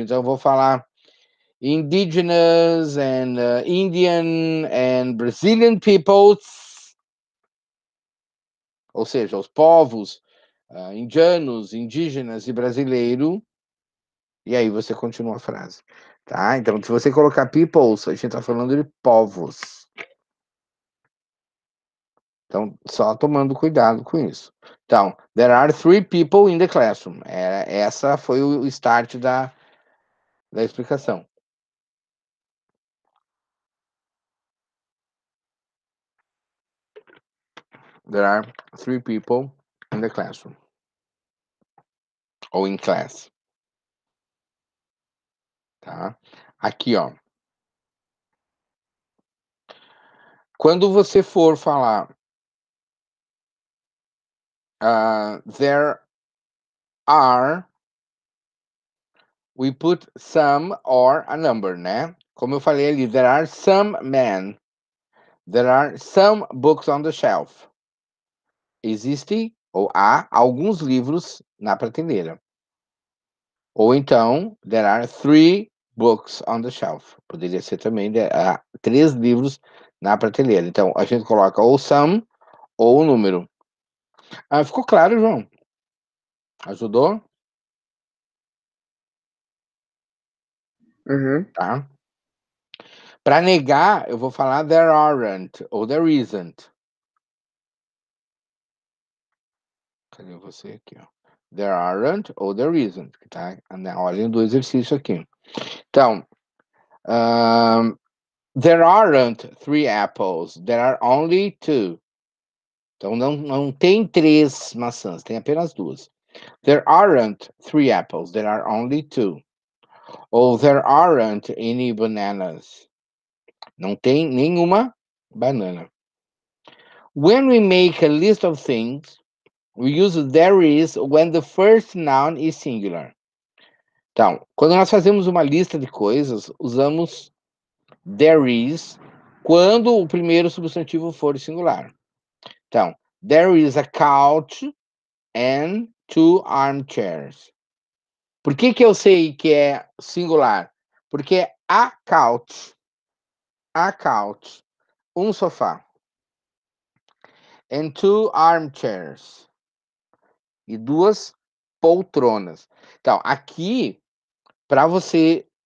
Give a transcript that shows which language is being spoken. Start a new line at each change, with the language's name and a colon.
Portuguese: Então, eu vou falar
English: indigenous and Indian and Brazilian peoples,
Portuguese: ou seja, os povos indianos, indígenas e brasileiro. E aí você continua a frase. Tá? Então, se você colocar peoples, a gente está falando de povos. Então, só tomando cuidado com isso. Então,
English: there are three people in the classroom.
Portuguese: Essa foi o start da explicação.
English: There are three people in the classroom.
Portuguese: Ou
English: in class.
Portuguese: Tá? Aqui, ó. Quando você for falar
English: there are, we put some or a number,
Portuguese: né? Como eu falei ali,
English: there are some men. There are some books on the shelf.
Portuguese: Existe ou há alguns livros na prateleira. Ou então,
English: there are three books on the shelf.
Portuguese: Poderia ser também, há três livros na prateleira. Então, a gente coloca ou some ou o número. Ah, ficou claro, João? Ajudou? Uhum. Tá. Para negar, eu vou falar
English: there aren't
Portuguese: ou
English: there isn't.
Portuguese: Cadê você aqui? Ó.
English: There aren't
Portuguese: ou
English: there isn't.
Portuguese: Tá? Na ordem do exercício aqui. Então,
English: there aren't three apples. There are only two.
Portuguese: Então, não tem três maçãs, tem apenas duas.
English: There aren't three apples, there are only two.
Portuguese: Ou
English: there aren't any bananas.
Portuguese: Não tem nenhuma banana.
English: When we make a list of things, we use there is when the first noun is singular.
Portuguese: Então, quando nós fazemos uma lista de coisas, usamos
English: there is
Portuguese: quando o primeiro substantivo for singular. Então,
English: there is a couch and two armchairs.
Portuguese: Por que que eu sei que é singular? Porque é
English: a couch,
Portuguese: um sofá,
English: and two armchairs,
Portuguese: e duas poltronas. Então, aqui, para você